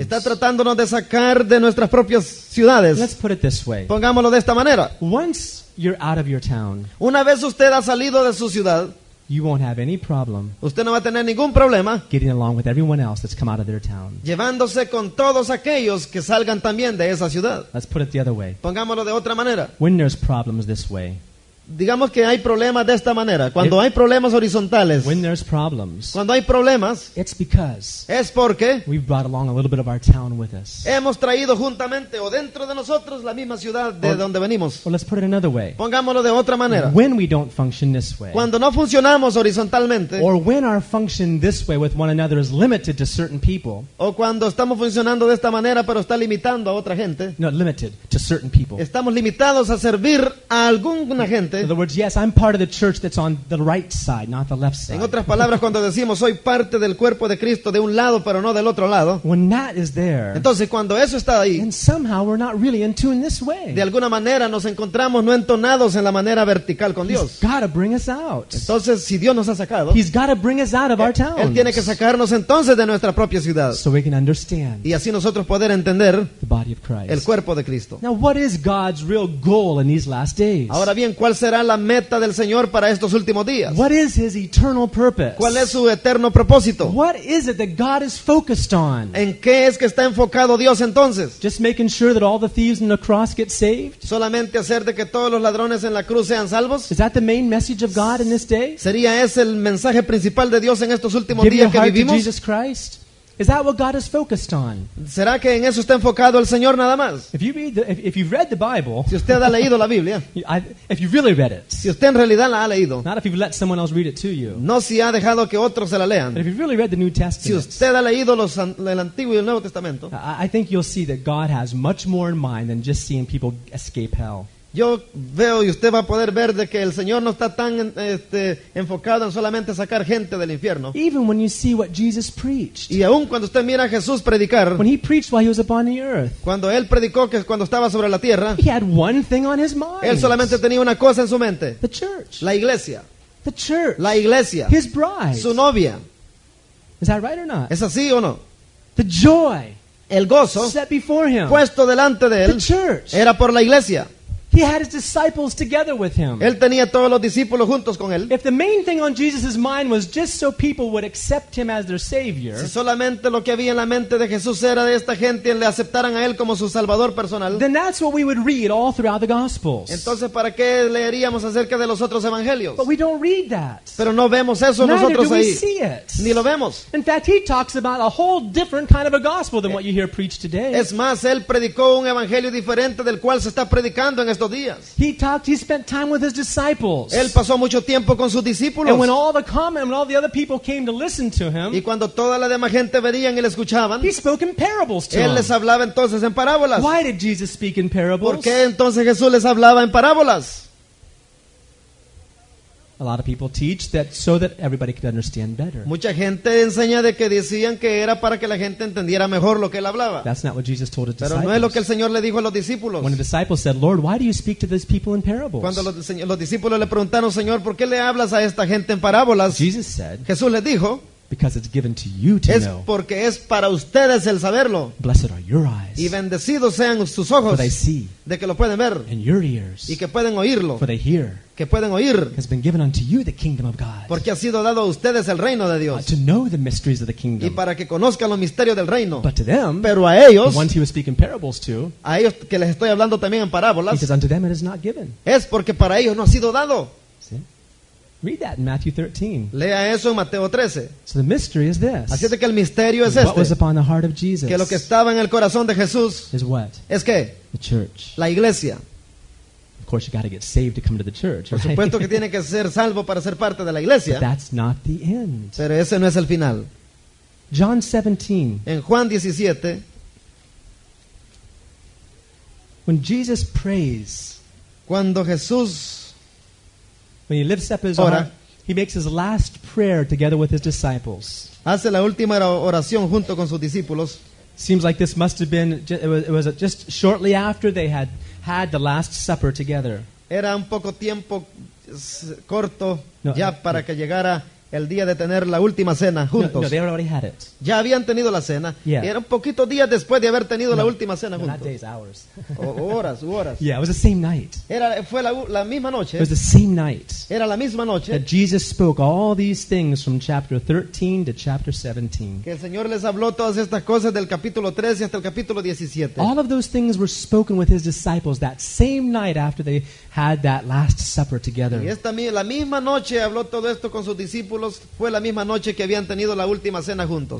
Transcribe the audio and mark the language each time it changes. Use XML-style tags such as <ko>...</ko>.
<es>Está tratándonos de sacar de nuestras propias ciudades.</es> <en>Let's put it this way.</en> <es>Pongámoslo de esta manera.</es> <en>Once you're out of your town.</en> <es>Una vez usted ha salido de su ciudad.</es> <en>you won't have any problem.</en> <es>Usted no va a tener ningún problema.</es> <en>Getting along with everyone else that's come out of their town.</en> <es>Llevándose con todos aquellos que salgan también de esa ciudad.</es> <en>Let's put it the other way.</en> <es>Pongámoslo de otra manera.</es> <en>When there's problems this way.</en> <es>Digamos que hay problemas de esta manera. Cuando hay problemas horizontales.</es> <en>When there's problems.</en> <es>Cuando hay problemas.</es> <en>It's because.</en> <es>Es porque.</es> <en>We've brought along a little bit of our town with us.</en> <es>Hemos traído juntamente o dentro de nosotros la misma ciudad de donde venimos.</es> <en>Well, let's put it another way.</en> <es>Pongámoslo de otra manera.</es> <en>When we don't function this way.</en> <es>Cuando no funcionamos horizontalmente.</es> <en>Or when our function this way with one another is limited to certain people.</en> <es>O cuando estamos funcionando de esta manera pero está limitando a otra gente.</es> <en>No, limited to certain people.</en> <es>Estamos limitados a servir a alguna gente.</es> <en>In other words, yes, I'm part of the church that's on the right side, not the left side.</en> <es>En otras palabras, cuando decimos soy parte del cuerpo de Cristo de un lado, pero no del otro lado.</es> <en>When that is there.</en> <es>Entonces, cuando eso está ahí.</es> <en>And somehow we're not really in tune this way.</en> <es>De alguna manera nos encontramos no entonados en la manera vertical con Dios.</es> <en>He's got to bring us out.</en> <es>Entonces, si Dios nos ha sacado.</es> <en>He's got to bring us out of our town.</en> <es>Él tiene que sacarnos entonces de nuestra propia ciudad.</es> <en>So we can understand.</en> <es>Y así nosotros poder entender.</es> <en>The body of Christ.</en> <es>El cuerpo de Cristo.</es> <en>Now, what is God's real goal in these last days?</en> <es>Ahora bien, ¿cuál será la meta del Señor para estos últimos días?</es> <en>What is his eternal purpose?</en> <es>¿Cuál es su eterno propósito?</es> <en>What is it that God is focused on?</en> <es>¿En qué es que está enfocado Dios entonces?</es> <en>Just making sure that all the thieves in the cross get saved?</en> <es>¿Solamente hacer de que todos los ladrones en la cruz sean salvos?</es> <en>Is that the main message of God in this day?</en> <es>¿Sería ese el mensaje principal de Dios en estos últimos días que vivimos?</es> <en>Give your heart to Jesus Christ. Is that what God is focused on?</en> <es>¿Será que en eso está enfocado el Señor nada más?</es> <en>If you've read the Bible,</en> <es>si usted ha leído la Biblia,</es> <en>if you've really read it,</en> <es>si usted en realidad la ha leído,</es> <en>not if you've let someone else read it to you,</en> <es>no si ha dejado que otros se la lean,</es> <en>but if you've really read the New Testament,</en> <es>si usted ha leído el Antiguo y el Nuevo Testamento,</es> <en>I think you'll see that God has much more in mind than just seeing people escape hell.</en> <es>Yo veo y usted va a poder ver de que el Señor no está tan enfocado en solamente sacar gente del infierno.</es> <en>Even when you see what Jesus preached.</en> <es>Y aun cuando usted mira a Jesús predicar.</es> <en>When he preached while he was upon the earth.</en> <es>Cuando él predicó que cuando estaba sobre la tierra.</es> <en>He had one thing on his mind.</en> <es>Él solamente tenía una cosa en su mente.</es> <en>The church.</en> <es>La iglesia.</es> <en>The church.</en> <es>La iglesia.</es> <en>His bride.</en> <es>Su novia.</es> <en>Is that right or not?</en> <es>¿Es así o no?</es> <en>The joy.</en> <es>El gozo.</es> <en>Set before him.</en> <es>Puesto delante de él.</es> <en>The church.</en> <es>Era por la iglesia.</es> <en>He had his disciples together with him.</en> <es>Él tenía todos los discípulos juntos con él.</es> <en>If the main thing on Jesus' mind was just so people would accept him as their savior.</en> <es>Si solamente lo que había en la mente de Jesús era de esta gente y le aceptaran a él como su salvador personal.</es> <en>Then that's what we would read all throughout the gospels.</en> <es>Entonces, ¿para qué leeríamos acerca de los otros evangelios?</es> <en>But we don't read that.</en> <es>Pero no vemos eso nosotros ahí.</es> <en>Neither do we see it.</en> <es>Ni lo vemos.</es> <en>In fact, he talks about a whole different kind of a gospel than what you hear preached today.</en> <es>Es más, él predicó un evangelio diferente del cual se está predicando en estos.</es> <en>He spent time with his disciples.</en> <es>Él pasó mucho tiempo con sus discípulos.</es> <en>And when all the common, when all the other people came to listen to him,</en> <es>y cuando toda la demás gente venían y le escuchaban,</es> <en>he spoke in parables to</en> <es>él les hablaba entonces en parábolas.</es> <en>Why did Jesus speak in parables?</en> <es>¿Por qué entonces Jesús les hablaba en parábolas?</es> <en>A lot of people teach that so that everybody could understand better.</en> <es>Mucha gente enseña de que decían que era para que la gente entendiera mejor lo que él hablaba.</es> <en>That's not what Jesus told his</en> <es>Pero</es> <en>disciples.</en> <es>Pero no es lo que el Señor le dijo a los discípulos.</es> <en>When the disciples said, "Lord, why do you speak to these people in parables?"</en> <es>Cuando los discípulos le preguntaron, "Señor, ¿por qué le hablas a esta gente en parábolas?"</es> <en>Jesus said,</en> <es>Jesús les dijo,</es> <en>"Because it's given to you to</en> <es>es</es> <en>know."</en> <es>Es porque es para ustedes el saberlo.</es> <en>Blessed are your eyes.</en> <es>Y bendecidos sean sus ojos.</es> <en>For they see.</en> <es>De que lo pueden ver.</es> <en>And your ears.</en> <es>Y que pueden oírlo.</es> <en>For they hear.</en> <es>Que pueden oír.</es> <en>Has been given unto you the kingdom of God.</en> <es>Porque ha sido dado a ustedes el reino de Dios.</es> <en>To know the mysteries of the kingdom.</en> <es>Y para que conozcan los misterios del reino.</es> <en>But to them,</en> <es>pero a ellos,</es> <en>the ones he was speaking parables to,</en> <es>a ellos que les estoy hablando también en parábolas,</es> <en>because unto them it is not given.</en> <es>Es porque para ellos no ha sido dado.</es> <en>Read that in Matthew 13.</en> <es>Lea eso en Mateo 13.</es> <en>So the mystery is this.</en> <es>Así es que el misterio es este.</es> <en>What was upon the heart of Jesus?</en> <es>Que lo que estaba en el corazón de Jesús</es> <en>is what?</en> <es>Es qué?</es> <en>The church.</en> <es>La iglesia.</es> <en>Of course, you got to get saved to come to the church.</en> <es>Por supuesto que tiene que ser salvo para ser parte de la iglesia.</es> <en>That's not the end.</en> <es>Pero ese no es el final.</es> <en>John 17.</en> <es>En Juan 17.</es> <en>When Jesus prays,</en> <es>cuando Jesús,</es> <en>when he lifts up his arm, he makes his last prayer together with his disciples.</en> <es>Hace la última oración junto con sus discípulos.</es> <en>Seems like this must have been. It was just shortly after they had. Had the last supper together.</en> <es>Era un poco tiempo corto ya para que llegara el día de tener la última cena juntos.</es> <en>No, they already had it.</en> <es>Ya habían tenido la cena.</es> <en>Yeah.</en> <es>Y era un poquito días después de haber tenido la última cena juntos.</es> <en>Not days, hours.</en> <es>horas.</es> <en>Yeah, it was the same night.</en> <es>Fue la misma noche.</es> <en>It was the same night.</en> <es>Era la misma noche.</es> <en>That Jesus spoke all these things from chapter 13 to chapter 17.</en> <es>Que el Señor les habló todas estas cosas del capítulo 13 hasta el capítulo 17.</es> <en>All of those things were spoken with his disciples that same night after they had that last supper together.</en> <es>Y esta la misma noche habló todo esto con sus discípulos, fue la misma noche que habían tenido la última cena juntos.</es>